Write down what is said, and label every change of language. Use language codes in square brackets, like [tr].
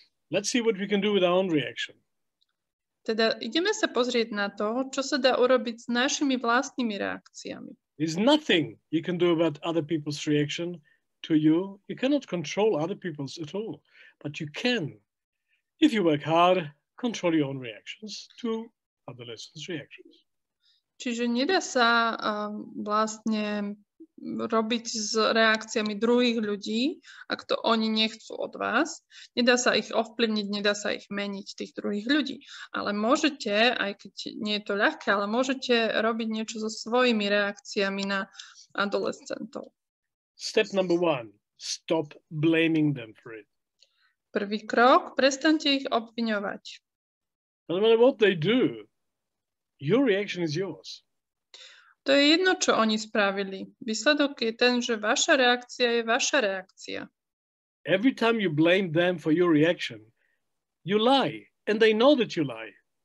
[en] Let's see what we can do with our own reaction. [sk] Teda ideme sa pozrieť na to, čo sa dá urobiť s našimi vlastnými reakciami. [en] There's nothing you can do about other people's reaction to you. You cannot control other people's at all, but you can, if you work hard, control your own reactions to adolescents' reactions. [sk] Čiže nedá sa vlastne robiť s reakciami druhých ľudí, ak to oni nechcú od vás. Nedá sa ich ovplyvniť, nedá sa ich meniť, tých druhých ľudí. Ale môžete, aj keď nie je to ľahké, ale môžete robiť niečo so svojimi reakciami na adolescentov. [en] Step number one, stop blaming them for it. [sk] Prvý krok, prestaňte ich obviňovať. [en] No matter what they do, your reaction is yours. [sk] To je jedno, čo oni spravili. Výsledok je ten, že vaša reakcia je vaša reakcia. [en] Every time you blame them for your reaction, you lie. And they know that you lie.